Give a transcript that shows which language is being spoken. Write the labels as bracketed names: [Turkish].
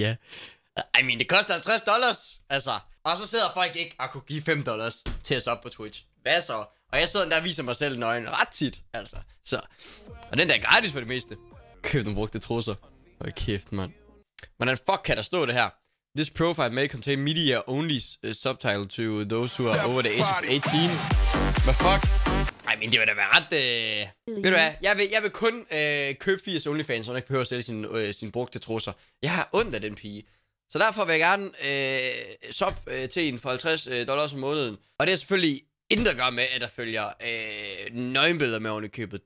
[Danish] Yeah. [English] I mean, [Danish] det koster $50. Altså. Og så sidder folk ikke og kunne give $5 til at sove på Twitch. Hvad så? Og jeg sidder der og viser mig selv nøgen ret tit, altså. Så. Og den der er gratis for det meste. Køb den brugte trusser. Hvor kæft, mand. Hvordan fuck kan der stå det her? [English] This profile may contain media only subtitle to those who are over the age of 18. [Danish] Hvad fuck? Ej, men det vil da være ret... Ved du hvad? Jeg vil kun købe 80 OnlyFans, så hun ikke behøver at sælge sin brugte trusser. Jeg har ondt af den pige. Så derfor vil jeg gerne til en for $50 om måneden. Og det er selvfølgelig intet at gøre med, at der følger nøgenbilleder med ordentligt købet.